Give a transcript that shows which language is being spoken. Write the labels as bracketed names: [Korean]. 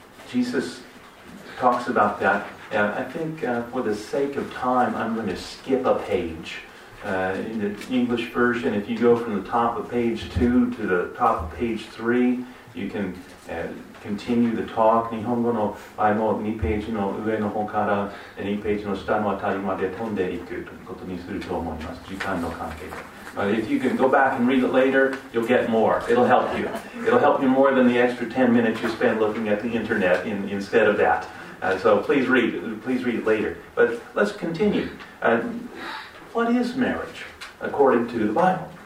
[English] Jesus talks about that, and I think for the sake of time, I'm going to skip a page. In the English version, if you go from the top of page 2 to the top of page 3, You can continue the talk. [Japanese] 日本語の場合も2ページの上の方から2ページの下のあたりまで飛んでいくということにすると思います。時間の関係で。 [English] But if you can go back and read it later, you'll get more. It'll help you. It'll help you more than the extra 10 minutes you spend looking at the internet instead of that. So please read. Please read it later. But let's continue. What is marriage according to the Bible?